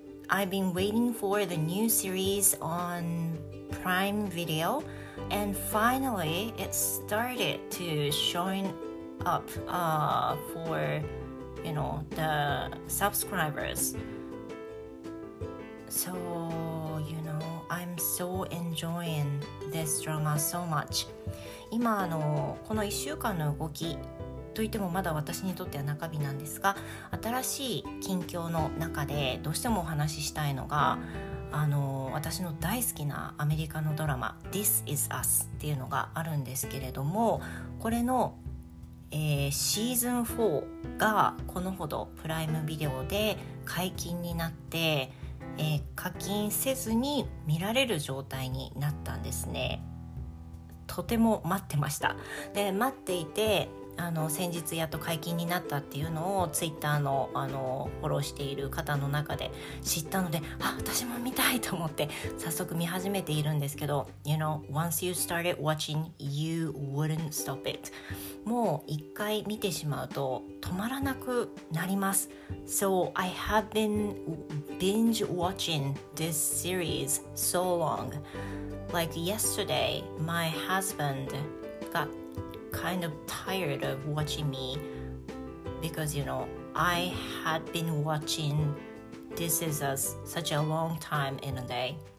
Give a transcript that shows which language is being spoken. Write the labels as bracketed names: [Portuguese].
[English] I've been waiting for the new series on Prime Video, and finally it started to showing up for, you know, the subscribers. So, you know, I'm so enjoying this drama so much. [Japanese] 今この1週間の動きといってもまだ私にとっては中日なんですが、新しい近況の中でどうしてもお話ししたいのが、私の大好きなアメリカのドラマ This Is Us っていうのがあるんですけれども、これの、シーズン4がこのほどプライムビデオで解禁になって、課金せずに見られる状態になったんですね。とても待ってました。で、待っていて、先日やっと解禁になったっていうのをツイッターの、フォローしている方の中で知ったので、あ、私も見たいと思って早速見始めているんですけど、 [English] You know, once you started watching, you wouldn't stop it. [Japanese] もう一回見てしまうと止まらなくなります。 [English] So I have been binge watching this series so long. Like yesterday, my husband gotKind of tired of watching me because you know I had been watching This Is Us such a long time in a day.